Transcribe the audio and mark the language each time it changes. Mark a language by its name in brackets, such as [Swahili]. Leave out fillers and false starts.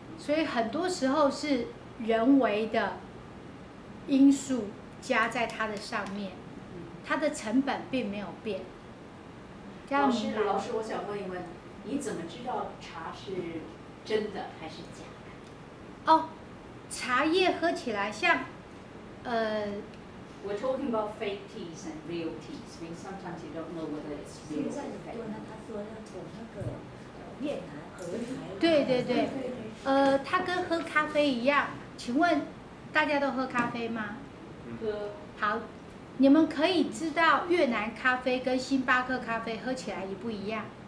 [Chinese] 所以很多时候是人为的因素加在他的上面，他的成本并没有变。老师，我想问一问，你怎么知道茶是真的还是假的？哦，茶叶喝起来像， [English] We're talking about fake teas and real teas. I mean, sometimes you don't know whether it's real or fake. [Chinese] 现在很多人他说要走那个越南和台。对对对，它跟喝咖啡一样。请问大家都喝咖啡吗？喝。好，你们可以知道越南咖啡跟星巴克咖啡喝起来也不一样。